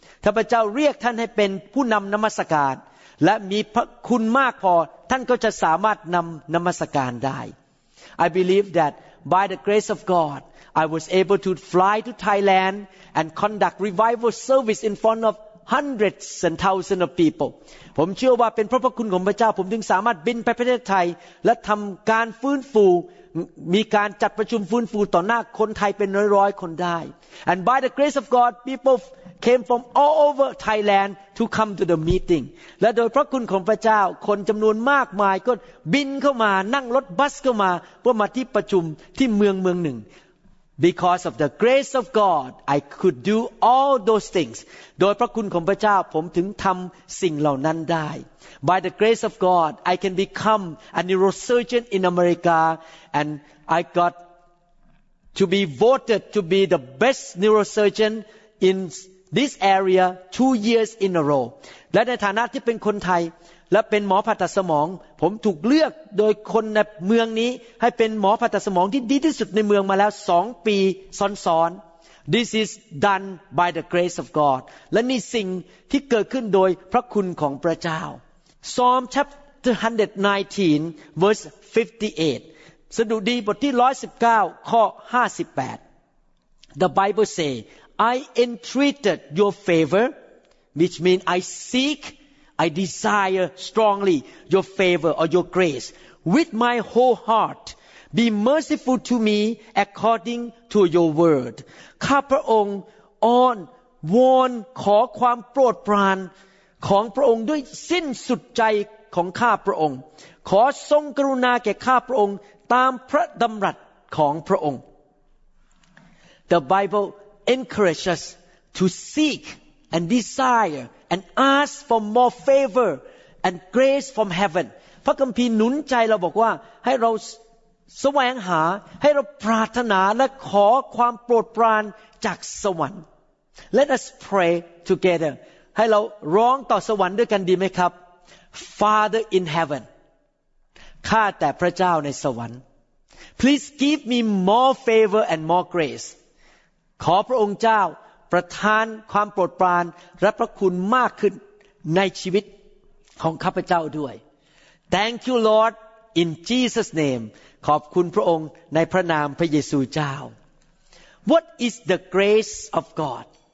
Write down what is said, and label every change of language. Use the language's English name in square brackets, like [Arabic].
[Thai] ถ้าพระเจ้าเรียกท่านให้เป็นผู้นำนมัสการและมีพระคุณมากพอท่านก็จะสามารถนำนมัสการได้ [English] I believe that by the grace of GodI was able to fly to Thailand and conduct revival service in front of hundreds and thousands of people. [Thai] ผมเชื่อว่าเป็นพระคุณของพระเจ้าผมถึงสามารถบินไปประเทศไทยและทำการฟื้นฟูมีการจัดประชุมฟื้นฟูต่อหน้าคนไทยเป็นร้อยๆคนได้ [English] And by the grace of God, people came from all over Thailand to come to the meeting. [Thai] และโดยพระคุณของพระเจ้าคนจำนวนมากมายก็บินเข้ามานั่งรถบัสเข้ามาเพื่อมาที่ประชุมที่เมืองหนึ่ง [English] Because of the grace of God, I could do all those things. [Thai] โดยพระคุณของพระเจ้าผมถึงทำสิ่งเหล่านั้นได้ [English] By the grace of God, I can become a neurosurgeon in America, and I got to be voted to be the best neurosurgeon in this area 2 years in a row. [Thai] และในฐานะที่เป็นคนไทยและเป็นหมอผ่าตัดสมองผมถูกเลือกโดยคนในเมืองนี้ให้เป็นหมอผ่าตัดสมองที่ดีที่สุดในเมืองมาแล้ว2 ปีซ้อน [English] ๆ This is done by the grace of God [Thai] และนี่สิ่งที่เกิดขึ้นโดยพระคุณของพระเจ้า [English] Psalm chapter 119 verse 58 [Thai] สดุดีบทที่119ข้อ58 [English] The Bible say I entreated your favor which means I seekI desire strongly your favor or your grace with my whole heart. Be merciful to me according to your word. [Thai] ข้าพระองค์อ้อนวอนขอความโปรดปรานของพระองค์ด้วยสิ้นสุดใจของข้าพระองค์ขอทรงกรุณาแก่ข้าพระองค์ตามพระดำรัสของพระองค์ [English] The Bible encourages us to seek and desire. And ask for more favor and grace from heaven. [Thai] พระคัมภีร์หนุนใจเราบอกว่าให้เราแสวงหาให้เราปรารถนาและขอความโปรดปรานจากสวรรค์ [English] Let us pray together. [Thai] ให้เราร้องต่อสวรรค์ด้วยกันดีไหมครับ [English] Father in heaven. [Thai] ข้าแต่พระเจ้าในสวรรค์ [English] Please give me more favor and more grace. [Thai] ขอพระองค์เจ้าประทานความโปรดปรานและพระคุณมากขึ้นในชีวิตของข้าพเจ้าด้วย [English] Thank you Lord in Jesus name. [Thai] ขอบคุณพระองค์ในพระนามพระเยซูเจ้า [English] What is the grace of God?